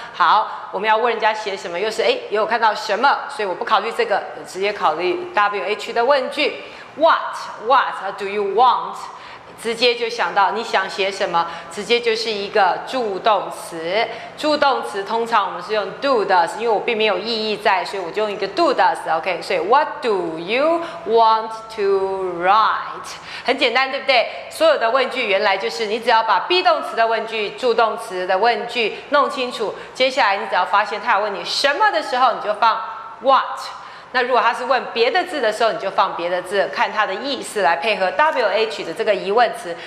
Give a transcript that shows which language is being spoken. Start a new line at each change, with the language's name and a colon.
Chinese: 好，我们要问人家写什么，又是哎，也有看到什么，所以我不考虑这个，直接考虑 WH 的问句。
English: What? What do you want?
Chinese: 直接就想到你想写什么，直接就是一个助动词。助动词通常我们是用 do does， 因为我并没有意义在，所以我就用一个 do does。
English: OK， 所以 What do you want to write？
Chinese: 很简单，对不对？所有的问句原来就是你只要把 be 动词的问句、助动词的问句弄清楚，接下来你只要发现他要问你什么的时候，你就放 what。那如果他是问别的字的时候，你就放别的字，看他的意思来配合 WH 的这个疑问词。